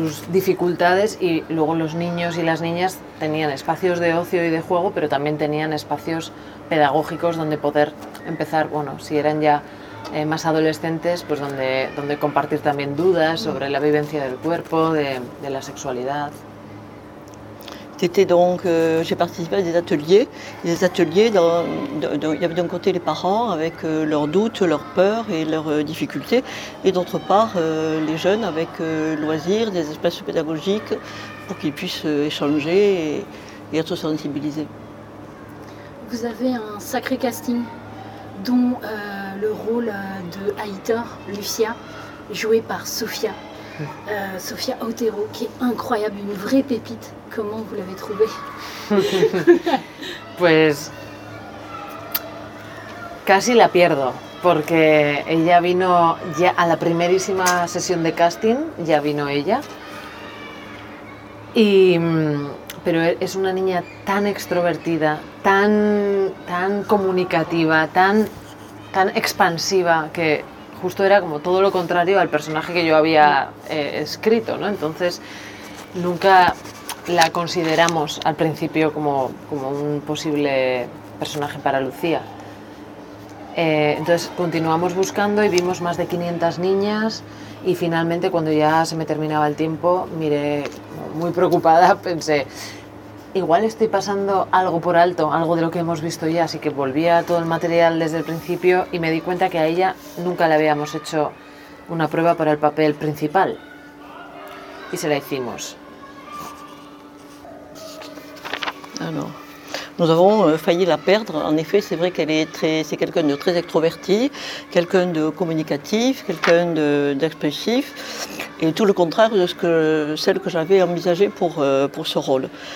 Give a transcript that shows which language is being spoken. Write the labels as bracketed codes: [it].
[es] dificultades, y luego los niños y las niñas tenían espacios de ocio y de juego, pero también tenían espacios pedagógicos donde poder empezar, bueno, si eran ya más adolescentes, pues donde compartir también dudas sobre la vivencia del cuerpo, de la sexualidad. [fr] C'était donc, j'ai participé à des ateliers. Des ateliers, il y avait d'un côté les parents avec leurs doutes, leurs peurs et leurs difficultés. Et d'autre part, les jeunes avec loisirs, des espaces pédagogiques pour qu'ils puissent échanger et être sensibilisés. Vous avez un sacré casting, dont le rôle de Aitor, Lucia, joué par Sophia. Sophia Otero, qui est incroyable, une vraie pépite. Comment vous l'avez trouvée? [es] Pues, casi la pierdo, porque ella vino ya a la primerísima sesión de casting, ya vino ella. Y, pero es una niña tan extrovertida, tan comunicativa, tan expansiva, que justo era como todo lo contrario al personaje que yo había escrito, ¿no? Entonces, nunca la consideramos al principio como un posible personaje para Lucía. Entonces, continuamos buscando y vimos más de 500 niñas y finalmente, cuando ya se me terminaba el tiempo, miré muy preocupada, pensé, igual estoy pasando algo por alto, algo de lo que hemos visto ya, así que volví a todo el material desde el principio y me di cuenta que a ella nunca le habíamos hecho una prueba para el papel principal. Y se la hicimos. [fr] Alors, nous avons failli la perdre. En effet, c'est vrai qu'elle est c'est quelqu'un de très extroverti, quelqu'un de communicatif, quelqu'un d'expressif, et tout le contraire de celle que j'avais envisagée pour ce rôle.